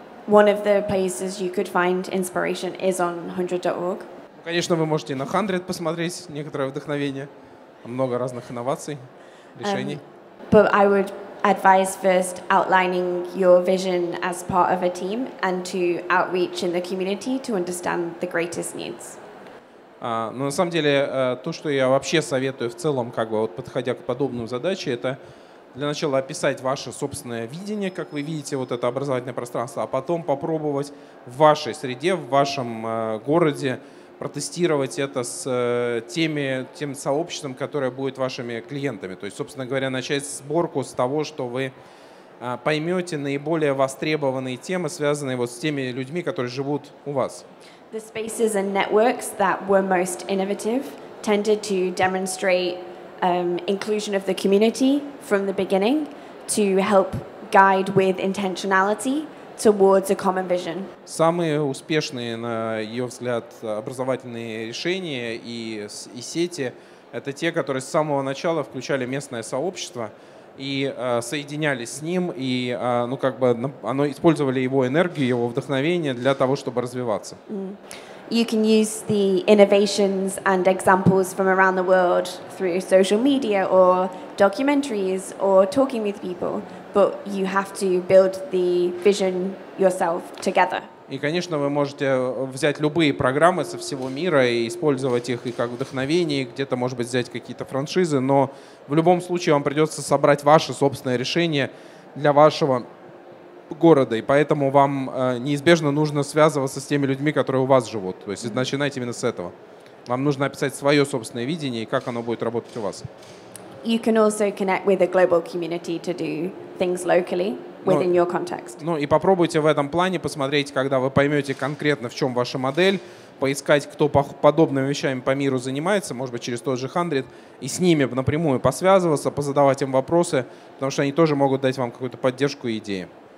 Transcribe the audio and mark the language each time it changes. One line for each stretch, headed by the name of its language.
English: One of the places you could find inspiration is on 100.org.
Russian: Конечно, вы можете на 100 посмотреть некоторое вдохновение, много разных инноваций, решений.
English: But I would advise first outlining your vision as part of a team and to outreach in the community to understand the greatest needs.
Russian: Но на самом деле то, что я вообще советую в целом, как бы вот подходя к подобным задачам, это для начала описать ваше собственное видение, как вы видите вот это образовательное пространство, а потом попробовать в вашей среде, в вашем городе протестировать это с тем сообществом, которое будет вашими клиентами. То есть, собственно говоря, начать сборку с того, что вы поймете наиболее востребованные темы, связанные вот с теми людьми, которые живут у вас.
English: The spaces and networks that were most innovative tended to demonstrate inclusion of the community from the beginning to help guide with intentionality towards a common vision.
Russian: Самые успешные, на ее взгляд, образовательные решения и сети — это те, которые с самого начала включали местное сообщество и соединялись с ним, и ну как бы оно использовали его энергию, его вдохновение для того, чтобы развиваться.
English: You can use the innovations and examples from around the world through social media or documentaries or talking with people. But you have to build the vision yourself together.
Russian: И, конечно, вы можете взять любые программы со всего мира и использовать их и как вдохновение, где-то, может быть, взять какие-то франшизы, но в любом случае вам придется собрать ваше собственное решение для вашего города, и поэтому вам неизбежно нужно связываться с теми людьми, которые у вас живут. То есть начинайте именно с этого. Вам нужно описать свое собственное видение и как оно будет работать у вас.
English: You can also connect with a global community to do things locally within your context.
Russian: Ну и попробуйте в этом плане посмотреть, когда вы поймете конкретно, в чем ваша модель, поискать, кто подобными вещами по миру занимается, может быть, через тот же 100, и с ними напрямую посвязываться, позадавать им вопросы, потому что они тоже могут дать вам какую-то поддержку и идеи.